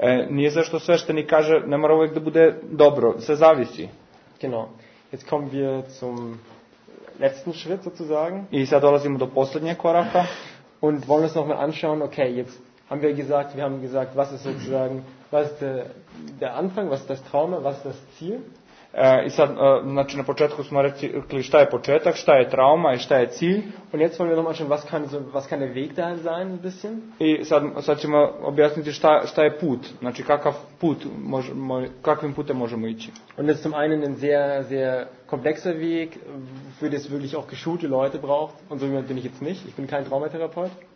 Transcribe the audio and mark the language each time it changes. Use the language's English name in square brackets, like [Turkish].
[Serbian] Nije za što sveštenik kaže ne mora uvijek da bude dobro, sve zavisi. [German] Genau. Jetzt kommen wir zum letzten Schritt sozusagen. [Serbian] I sad dolazimo do posljednjeg koraka. [German] Und wollen uns noch mal anschauen, okay, jetzt haben wir haben gesagt, was ist sozusagen, was ist der Anfang, was ist das Trauma, was ist das Ziel? [Serbian] I sad, znači na početku smo rekli šta je početak, šta je trauma i šta je cilj. [German] Und jetzt wollen wir noch mal schauen, was kann der Weg dahin sein, ein bisschen? [Serbian] I sad ćemo objasniti šta je put, znači kakav put možemo, kakvim putem možemo ići. [German] Und es ist zum einen ein sehr, sehr komplexer Weg, für das wirklich auch geschulte Leute braucht, und so jemand bin ich jetzt nicht, ich bin kein Traumatherapeut.